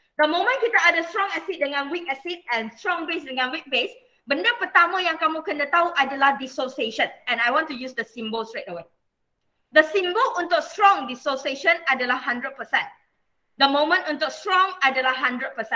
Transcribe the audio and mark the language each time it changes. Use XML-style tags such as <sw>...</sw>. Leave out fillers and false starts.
<en>The moment</en> <ms>kita ada strong acid dengan weak acid and strong base dengan weak base, benda pertama yang kamu kena tahu adalah dissociation.</ms> <en>And I want to use the symbol straight away. The symbol untuk strong dissociation adalah 100%. The moment untuk strong adalah 100%.</en>